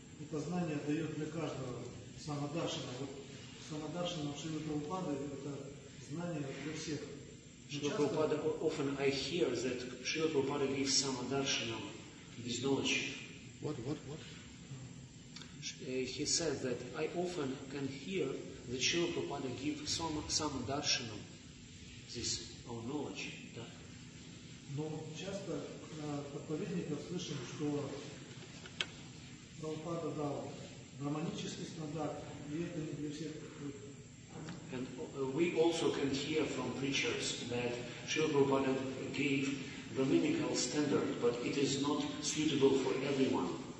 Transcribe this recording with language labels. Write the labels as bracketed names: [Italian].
[Russian] Познание дает для каждого самодаршана. Вот самодаршана в Шриле Прабхупаде это знание для всех. [English] Prabhupada, often I hear that Srila Prabhupada gives samadarshana, this knowledge. What? He said that I often can hear that Srila Prabhupada gives samadarshana, this our knowledge. [Russian] Но часто проповедников слышим, что Прабхупада дал брахманический стандарт, и это не для всех. [English] And we also can hear from preachers that Srila Prabhupada gave Brahminical standard, but it is not suitable for everyone.